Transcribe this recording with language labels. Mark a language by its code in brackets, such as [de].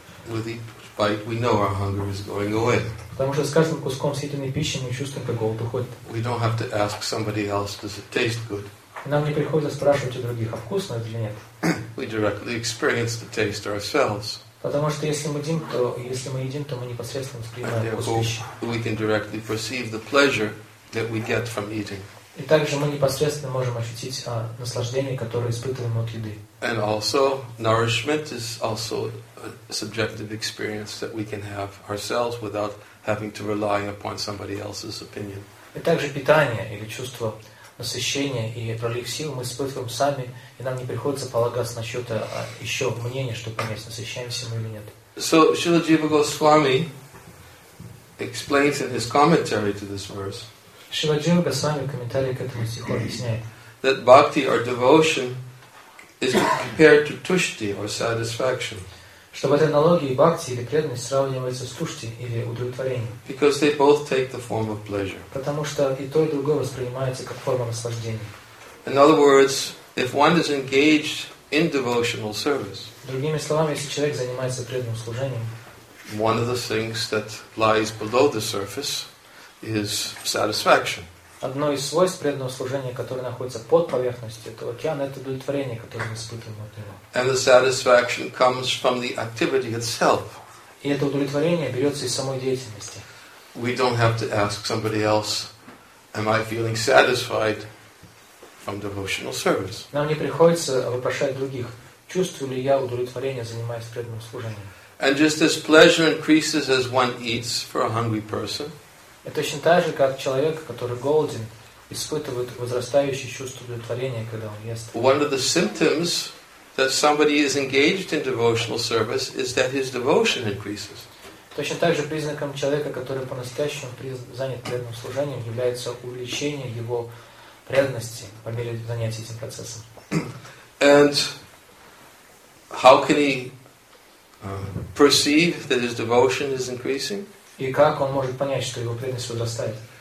[en] With each bite, we know our hunger is going away. [ru] Потому что с каждым куском съеденной пищи мы чувствуем, как голод уходит. [en] We don't have to ask somebody else, does it taste good? [ru] Нам не приходится спрашивать у других, а вкусно это или нет. [en] We directly experience the taste ourselves. [ru] Потому что если мы едим, то мы непосредственно воспринимаем вкус пищи. [en] We can directly perceive the pleasure that we get from eating. [ru] И также мы непосредственно можем ощутить наслаждение, которое испытываем от еды. [en] And also, nourishment is also a subjective experience that we can have ourselves without having to rely upon somebody else's opinion. [ru] И также питание или чувство насыщения и пролив сил мы испытываем сами, и нам не приходится полагаться на что-то еще мнение, чтобы понять, насыщаемся мы или нет. [en] So, Śrīla Jīva Gosvāmī explains in his commentary to this verse, [ru] Śrīla Jīva Gosvāmī в комментарии к этому стиху объясняет, [en] that bhakti or devotion is compared to tuṣṭi or satisfaction. [ru] Что в этой аналогии бхакти или преданность сравнивается с тушти или удовлетворением. [en] Because they both take the form of pleasure. [ru] Потому что и то, и другое воспринимается как форма наслаждения. [en] In other words, if one is engaged in devotional service, [ru] другими словами, если человек занимается преданным служением, [en] one of the things that lies below the surface is satisfaction. [ru] Одно из свойств преданного служения, которое находится под поверхностью этого океана, это удовлетворение, которое мы испытываем от него. [en] And the satisfaction comes from the activity itself. [ru] И это удовлетворение берется из самой деятельности. [en] We don't have to ask somebody else, am I feeling satisfied from devotional service? [ru] Нам не приходится вопрошать других, чувствую ли я удовлетворение, занимаясь преданным служением. [en] And just as pleasure increases as one eats for a hungry person, [ru] и точно так же, как человек, который голоден, испытывает возрастающее чувство удовлетворения, когда он ест. [en] One of the symptoms that somebody is engaged in devotional service is that his devotion increases. [ru] Точно так же признаком человека, который по-настоящему занят преданным служением, является увеличение его преданности по мере занятия этим процессом. [en] And how can he perceive that his devotion is increasing? [ru] И как он может понять, что его преданность возрастает?